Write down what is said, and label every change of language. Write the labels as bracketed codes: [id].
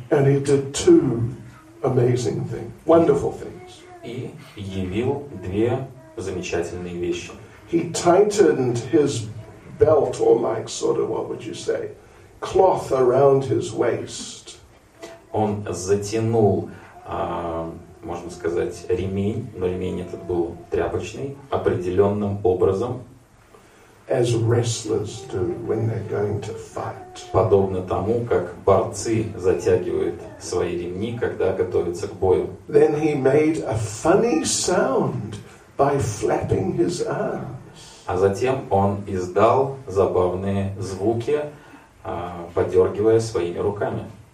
[en] And he did two amazing things, wonderful things. [ru] И явил две замечательные вещи. [en] He tightened his belt, or like sort of, what would you say, cloth around his waist. [ru] Он затянул, можно сказать, ремень, но ремень этот был тряпочный, определенным образом. [en] As wrestlers do when they're going to fight. [ru] Подобно тому, как борцы затягивают свои ремни, когда готовятся к бою. [en] Then he made a funny sound by flapping his arms. [ru] А затем он издал забавные звуки, подергивая своими руками.